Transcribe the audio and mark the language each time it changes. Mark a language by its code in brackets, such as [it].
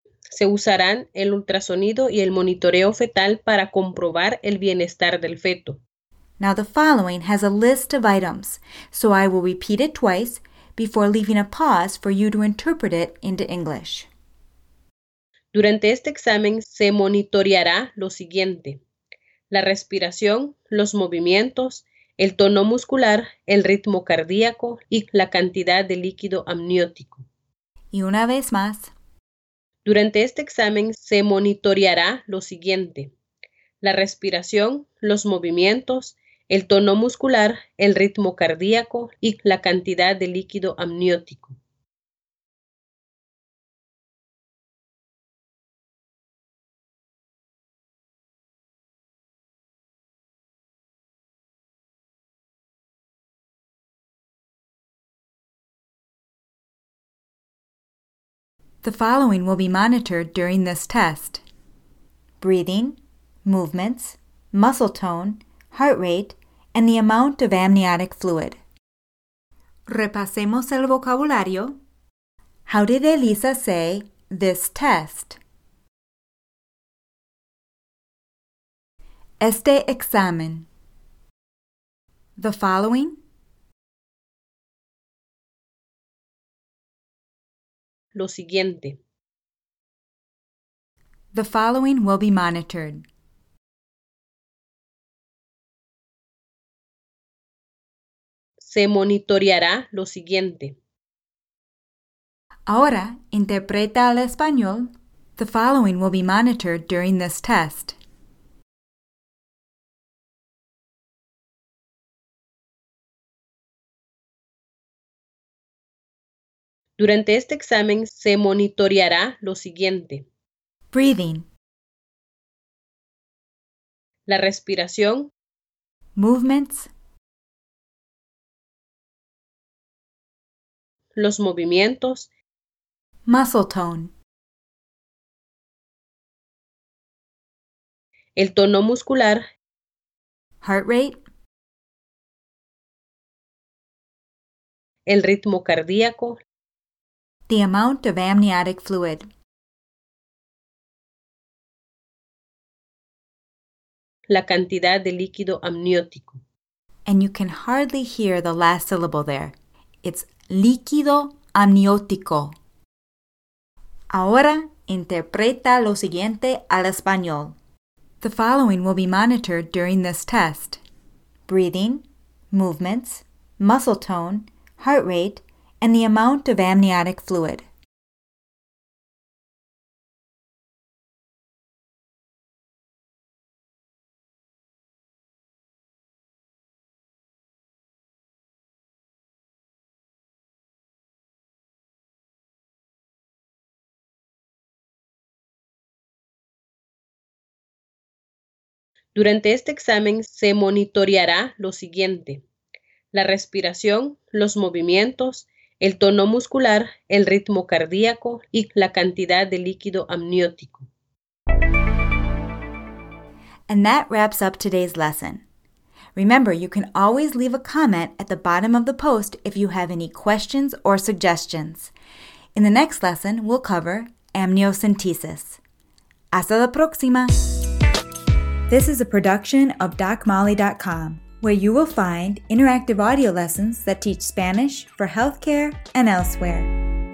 [es] Se usarán el ultrasonido y el monitoreo fetal para comprobar el bienestar del feto. [en] Now the following has a list of items, so I will repeat it twice before leaving a pause for you to interpret it into English. [es] Durante este examen se monitoreará lo siguiente: la respiración, los movimientos, el tono muscular, el ritmo cardíaco y la cantidad de líquido amniótico. Y una vez más. Durante este examen se monitoreará lo siguiente: la respiración, los movimientos, el tono muscular, el ritmo cardíaco y la cantidad de líquido amniótico. [en] The following will be monitored during this test: breathing, movements, muscle tone, heart rate, and the amount of amniotic fluid. [es] Repasemos el vocabulario. [en] How did Elisa say this test? [es] Este examen. [en] The following. [es] Lo siguiente. [en] The following will be monitored. [es] Se monitoreará lo siguiente. Ahora, interpreta al español. [en] The following will be monitored during this test. [es] Durante este examen, se monitoreará lo siguiente. [en] Breathing. [es] La respiración. [en] Movements. [es] Los movimientos. [en] Muscle tone. [es] El tono muscular. [en] Heart rate. [es] El ritmo cardíaco. [en] The amount of amniotic fluid. [es] La cantidad de líquido amniótico. [en] And you can hardly hear the last syllable there. It's [es] líquido amniótico. Ahora, interpreta lo siguiente al español. [en] The following will be monitored during this test. Breathing, movements, muscle tone, heart rate, and the amount of amniotic fluid. [es] Durante este examen se monitoreará lo siguiente: la respiración, los movimientos, el tono muscular, el ritmo cardíaco y la cantidad de líquido amniótico. [en] And that wraps up today's lesson. Remember, you can always leave a comment at the bottom of the post if you have any questions or suggestions. In the next lesson, we'll cover amniocentesis. [es] Hasta la próxima! [en] This is a production of DocMolly.com, where you will find interactive audio lessons that teach Spanish for healthcare and elsewhere.